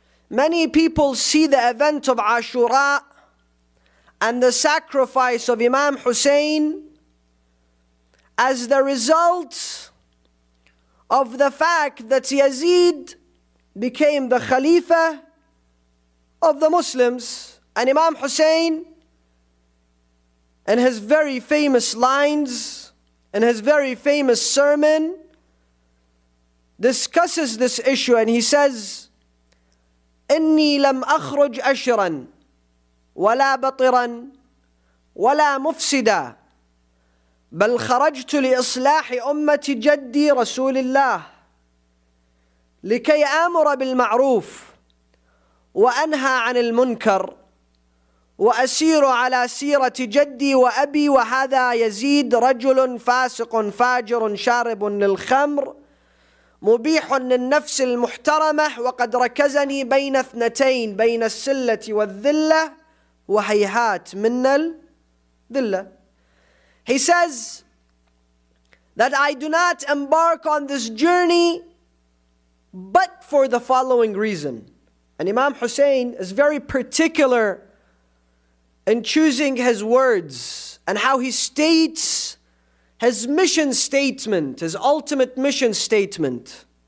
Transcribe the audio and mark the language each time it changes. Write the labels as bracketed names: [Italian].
[English] Many people see the event of Ashura and the sacrifice of Imam Hussein as the result of the fact that Yazid became the Khalifa of the Muslims. And Imam Hussein, in his very famous lines, in his very famous sermon, discusses this issue and he says, [Arabic] إني لم أخرج أشرا ولا بطرا ولا مفسدا بل خرجت لإصلاح أمة جدي رسول الله لكي آمر بالمعروف وأنهى عن المنكر وأسير على سيرة جدي وأبي وهذا يزيد رجل فاسق فاجر شارب للخمر مبيح للنفس المحترمة وقد ركزني بين اثنتين بين السلة والذلة وهيهات من الذلة. [English] He says that I do not embark on this journey but for the following reason. And Imam Hussein is very particular in choosing his words and how he states his mission statement, his ultimate mission statement.